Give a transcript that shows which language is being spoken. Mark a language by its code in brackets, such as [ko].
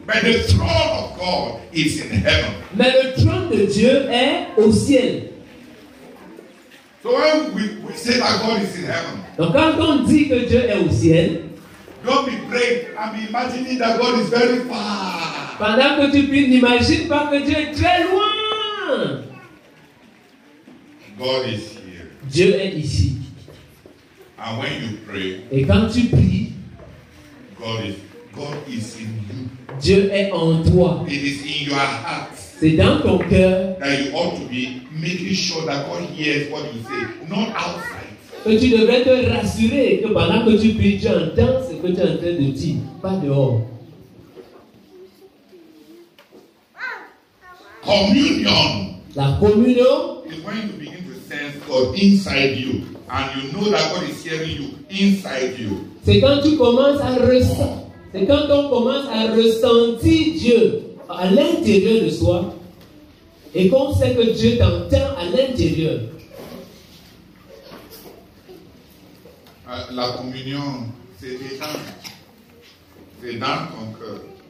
[en] But the throne of God is in heaven. [fr] Mais le trône de Dieu est au ciel. [en] So when we say that God is in heaven, [fr] donc quand on dit que Dieu est au ciel, [en] don't be praying and be imagining that God is very far. [fr] Pendant que tu pries, n'imagine pas que Dieu est très loin. [en] God is here. [fr] Dieu est ici. [en] And when you pray, [fr] et quand tu pries, [en] God is in you. [fr] Dieu est en toi. [en] It is in your heart. [fr] C'est dans ton cœur. [en] That you ought to be making sure that God hears what you say, not outside. [fr] Que tu devrais te rassurer que pendant que tu pries, Dieu entend ce que tu es en train de dire, pas dehors. [en] Communion. [fr] La communion. [en] Is when you begin to sense God inside you, and you know that God is hearing you inside you. [fr] C'est quand tu commences à c'est quand on commence à ressentir Dieu à l'intérieur de soi, et qu'on sait que Dieu t'entend à l'intérieur. La communion, c'est dedans. C'est dans ton cœur.